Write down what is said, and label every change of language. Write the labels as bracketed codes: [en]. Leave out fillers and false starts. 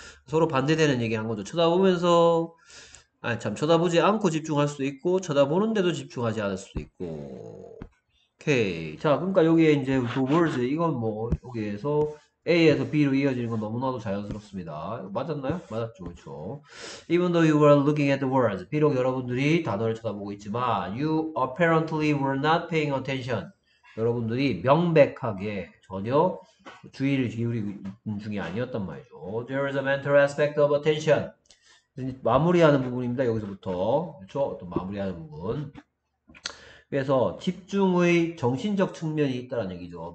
[ko] 서로 반대되는 얘기 한 거죠. 쳐다보면서, 아니 참, 쳐다보지 않고 집중할 수도 있고, 쳐다보는데도 집중하지 않을 수도 있고. 오케이. 자, 그러니까 여기에 이제 the words. 이건 뭐, 여기에서. A에서 B로 이어지는 건 너무나도 자연스럽습니다. 맞았나요? 맞았죠, 그렇죠. [en] Even though you were looking at the words, [ko] 비록 여러분들이 단어를 쳐다보고 있지만, [en] you apparently were not paying attention. [ko] 여러분들이 명백하게 전혀 주의를 기울이는 중이 아니었단 말이죠. [en] There is a mental aspect of attention. [ko] 마무리하는 부분입니다. 여기서부터, 그렇죠? 또 마무리하는 부분. 그래서 집중의 정신적 측면이 있다는 얘기죠.